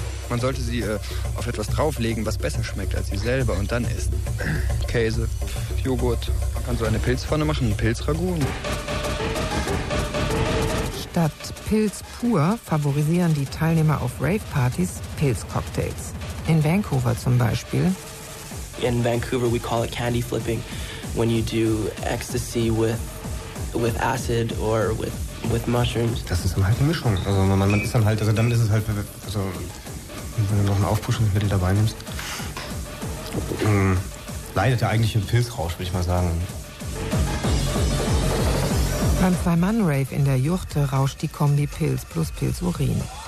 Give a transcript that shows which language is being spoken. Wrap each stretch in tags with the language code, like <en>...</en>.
<de>Man sollte sie auf etwas drauflegen, was besser schmeckt als sie selber, und dann essen. Käse, Joghurt. Man kann so eine Pilzpfanne machen, ein Pilzragout. Statt Pilz pur favorisieren die Teilnehmer auf Rave-Partys Pilzcocktails. In Vancouver zum Beispiel.</de> <en>In Vancouver we call it candy flipping, when you do ecstasy with acid or with mushrooms.</en> <de>Das ist dann halt eine Mischung. Also man ist dann halt, also dann ist es halt, also wenn du noch ein Aufpuschungsmittel dabei nimmst. leidet der eigentliche Pilzrausch, würde ich mal sagen. Beim Zwei-Mann-Rave in der Juchte rauscht die Kombi Pilz plus Pilzurin.</de>